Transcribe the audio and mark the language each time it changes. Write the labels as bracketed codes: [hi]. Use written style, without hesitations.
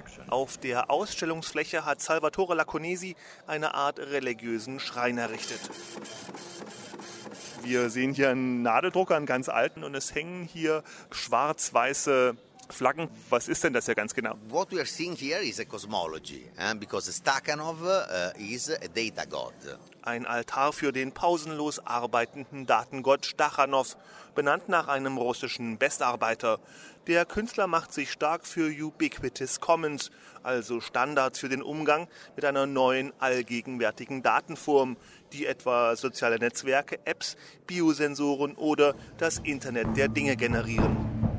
[de] Auf der Ausstellungsfläche hat Salvatore Lacconesi eine Art religiösen Schrein errichtet. Wir sehen hier einen Nadeldrucker, einen ganz alten, und es hängen hier schwarz-weiße Flaggen. Was ist denn das hier ganz genau? [en] What we are seeing here is a cosmology, because Stakhanov is a data god. [de] Ein Altar für den pausenlos arbeitenden Datengott Stakhanov, benannt nach einem russischen Bestarbeiter. Der Künstler macht sich stark für Ubiquitous Commons, also Standards für den Umgang mit einer neuen allgegenwärtigen Datenform, die etwa soziale Netzwerke, Apps, Biosensoren oder das Internet der Dinge generieren.